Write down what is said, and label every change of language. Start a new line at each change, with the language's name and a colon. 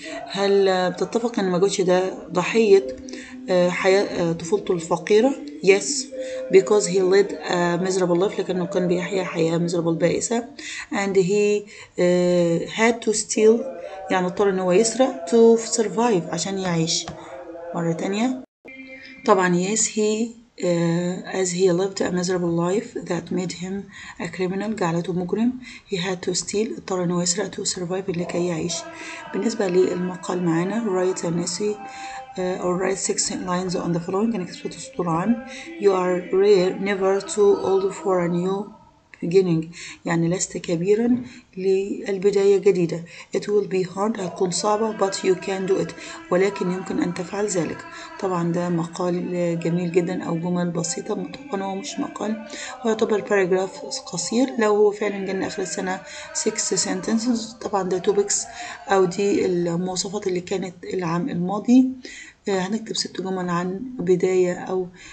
Arabic: هل بتتفق أن Magawichi ده ضحية حياة طفولته الفقيرة؟
English: Yes, because he led a miserable life
Arabic: لكنه كان بيحيا حياة
English: miserable
Arabic: بائسة
English: and he had to steal
Arabic: يعني اضطر أنه يسرق
English: to survive
Arabic: عشان يعيش. مرة تانية طبعا
English: yes he as he lived a miserable life that made him a criminal
Arabic: جعلته مجرم
English: he had to steal
Arabic: اضطر انه يسرق
English: to survive
Arabic: لكي يعيش. بالنسبة للمقال معنا
English: write an essay or write six lines on the following
Arabic: انك تكتب سطور عن
English: you are rare never too old for a new beginning
Arabic: يعني لست كبيرا للبداية جديدة
English: it will be hard
Arabic: هتكون صعبة
English: but you can do it
Arabic: ولكن يمكن أن تفعل ذلك. طبعا ده مقال جميل جدا أو جمل بسيطة متقنة ومش مقال ويعتبر paragraph قصير لو هو فعلا جن آخر السنة 6 sentences طبعا ده topics أو دي المواصفات اللي كانت العام الماضي هنكتب 6 جمل عن بداية أو